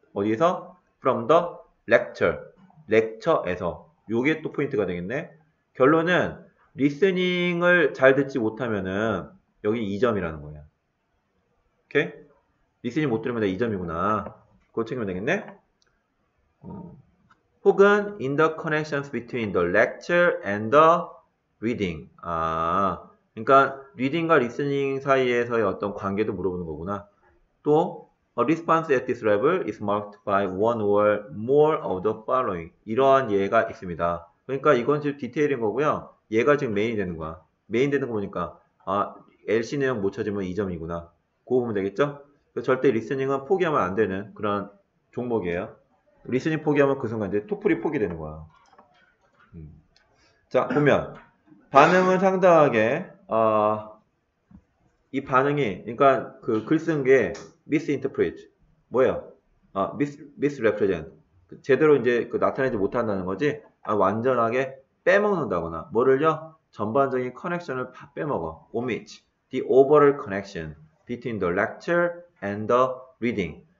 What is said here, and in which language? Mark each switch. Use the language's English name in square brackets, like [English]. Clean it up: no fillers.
[Korean] 어디에서? [English] from the lecture. [Korean] 렉처에서. 요게 또 포인트가 되겠네. 결론은 리스닝을 잘 듣지 못하면은 여기 2점이라는 거야. 오케이? 리스닝 못 들으면 2점이구나. 그거 챙기면 되겠네? 혹은 [English] in the connections between the lecture and the reading. [Korean] 아, 그러니까 reading과 listening 사이에서의 어떤 관계도 물어보는 거구나. 또 [English] a response at this level is marked by one or more of the following. [Korean] 이러한 예가 있습니다. 그러니까 이건 지금 디테일인 거고요. 얘가 지금 메인이 되는 거야. 메인 되는 거 보니까 아, LC 내용 못 찾으면 2점이구나. 그거 보면 되겠죠? 절대 리스닝은 포기하면 안 되는 그런 종목이에요. 리스닝 포기하면 그 순간 이제 토플이 포기되는 거야. 자, 보면 반응은 상당하게 이 반응이 그러니까 그글쓴게 미스 인터프리트 뭐예요? 아, 미스 레프레젠트 제대로 이제 그 나타내지 못한다는 거지. 아, 완전하게 빼먹는다거나 뭐를요? 전반적인 커넥션을 빼먹어. [English] omit, the overall connection between the lecture and the reading.